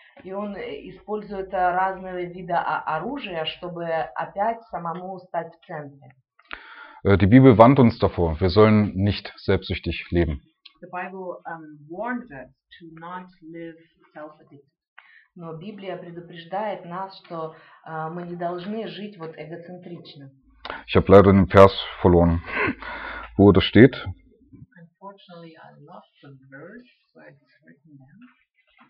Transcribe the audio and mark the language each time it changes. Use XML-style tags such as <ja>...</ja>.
<ru>И он использует разные виды оружия, чтобы опять самому стать в центре.</ru> <de>Die Bibel warnt uns davor, wir sollen nicht selbstsüchtig leben.</de> <en>The Bible warns us to not live self-addicted.</en> <ru>Но Библия предупреждает нас, что мы не должны жить вот эгоцентрично.</ru> <de>Ich habe leider den Vers verloren, wo das steht.</de> <en>Unfortunately, I lost the verse, so it's written down.</en>